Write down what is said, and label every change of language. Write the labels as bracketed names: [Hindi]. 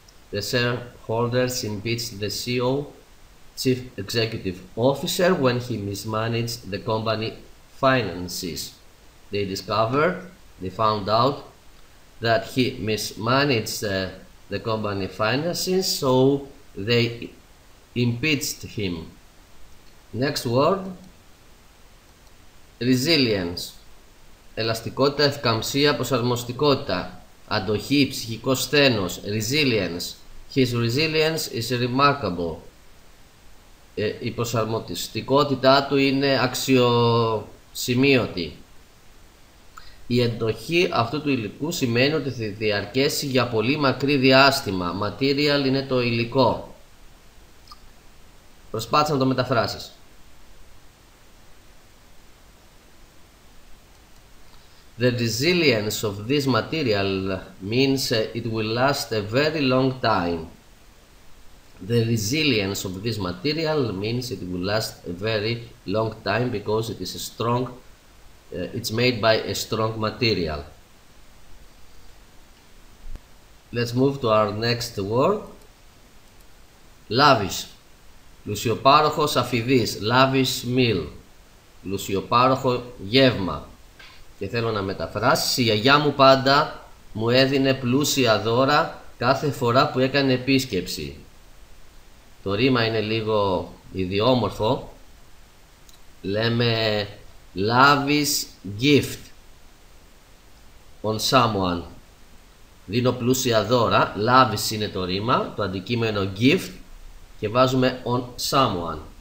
[English] The shareholders impeach the CEO, Chief Executive Officer, when he mismanaged the company finances. They discovered, they found out that he mismanaged the company finances, so they impeached him. Next word, [Greek] resilience, ελαστικότητα, ευκαμψία, προσαρμοστικότητα, αντοχή, ψυχικό σθένος, resilience. [English] His resilience is remarkable. [Greek] Η προσαρμοστικότητά του είναι αξιοσημείωτη. Η εντοχή αυτού του υλικού σημαίνει ότι θα διαρκέσει για πολύ μακρύ διάστημα. Material είναι το υλικό. Προσπάθησα να το μεταφράσεις. [English] The resilience of this material means it will last a very long time. The resilience of this material means it will last a very long time because it is a strong, it's made by a strong material. Let's move to our next word. Lavish. Λουσιοπάροχος, αφηδής. Lavish meal. [Greek] Λουσιοπάροχο γεύμα. Και θέλω να μεταφράσεις, η γιαγιά μου πάντα μου έδινε πλούσια δώρα κάθε φορά που έκανε επίσκεψη. Το ρήμα είναι λίγο ιδιόμορφο. Λέμε [English] lavish gift on someone. [Greek] Δίνω πλούσια δώρα, lavish είναι το ρήμα, το αντικείμενο gift, και βάζουμε [English] on someone.